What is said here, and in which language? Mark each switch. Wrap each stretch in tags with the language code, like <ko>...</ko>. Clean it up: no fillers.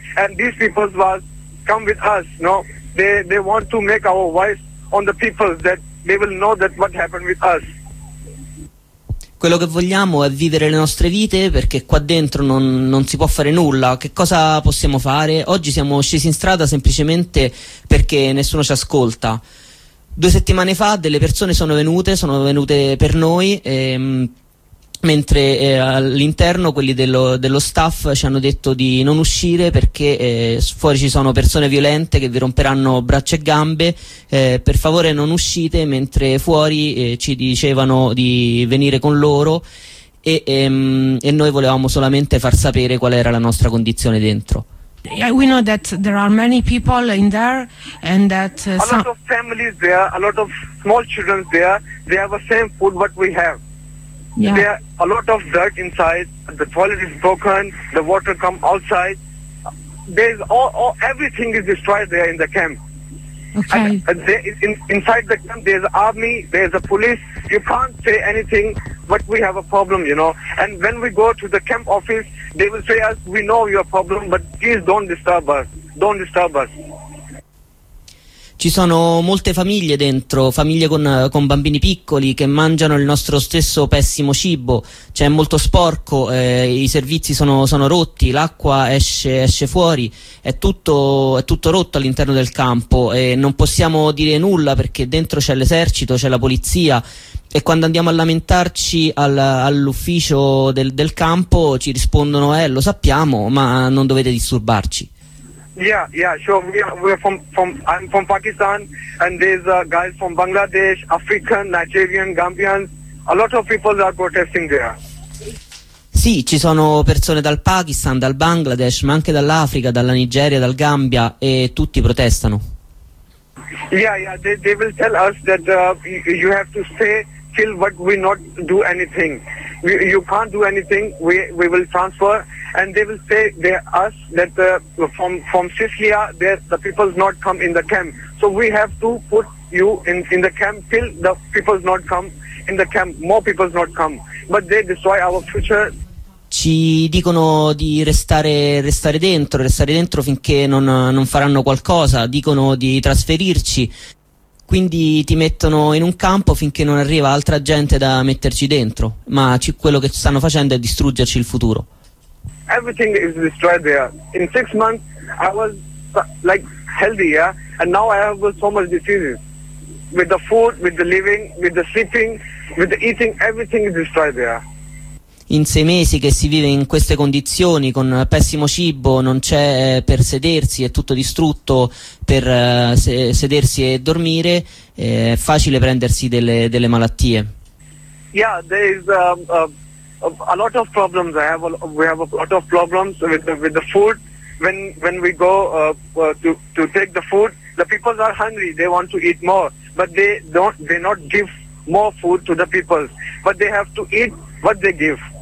<en>And these people was come with us, no? They want to make our voice on the people, that they will know that what happened with us.</en> <it>Quello che vogliamo è vivere le nostre vite, perché qua dentro non si può fare nulla. Che cosa possiamo fare? Oggi siamo scesi in strada semplicemente perché nessuno ci ascolta. Due settimane fa delle persone sono venute per noi, mentre all'interno quelli dello staff ci hanno detto di non uscire perché fuori ci sono persone violente che vi romperanno braccia e gambe, per favore non uscite, mentre fuori ci dicevano di venire con loro e noi volevamo solamente far sapere qual era la nostra condizione dentro.</it> <en>Yeah, we know that there are many people in there, and that a lot of families there, a lot of small children there. They have the same food what we have. Yeah. There are a lot of dirt inside. The toilet is broken. The water come outside. There's all everything is destroyed there in the camp. Okay. And there is inside the camp. There's army. There's a police. You can't say anything. But we have a problem, you know. And when we go to the camp office, they will say us, we know your problem, but please don't disturb us. Don't disturb us.</en> <it>Ci sono molte famiglie dentro, famiglie con bambini piccoli che mangiano il nostro stesso pessimo cibo, c'è molto sporco, i servizi sono rotti, l'acqua esce fuori, è tutto rotto all'interno del campo e non possiamo dire nulla perché dentro c'è l'esercito, c'è la polizia e quando andiamo a lamentarci all'ufficio del campo ci rispondono lo sappiamo ma non dovete disturbarci.</it> <en>Yeah, sure. I'm from Pakistan, and there's guys from Bangladesh, African, Nigerian, Gambian. A lot of people are protesting there.</en> <it>Sì, ci sono persone dal Pakistan, dal Bangladesh, ma anche dall'Africa, dalla Nigeria, dal Gambia, e tutti protestano.</it> <en>Yeah, they will tell us that you have to stay till what we not do anything. You can't do anything. We will transfer. And they will say they us that from Sicilia the people's not come in the camp, so we have to put you in the camp till the people's not come in the camp, more people's not come, but they destroy our future.</en> <it>Ci dicono di restare dentro finché non faranno qualcosa, dicono di trasferirci, quindi ti mettono in un campo finché non arriva altra gente da metterci dentro, ma quello che stanno facendo è distruggerci il futuro.</it> <en>Everything is destroyed there. In 6 months, I was like healthy, yeah? And now I have so much diseases. With the food, with the living, with the sleeping, with the eating, everything is destroyed there.</en> <it>In sei mesi che si vive in queste condizioni, con pessimo cibo, non c'è per sedersi, è tutto distrutto per sedersi e dormire, è facile prendersi delle malattie.</it> <en>Yeah, there is a lot of problems. We have a lot of problems with the food. When we go to take the food, the people are hungry. They want to eat more, but they don't. They not give more food to the people, but they have to eat what they give.</en>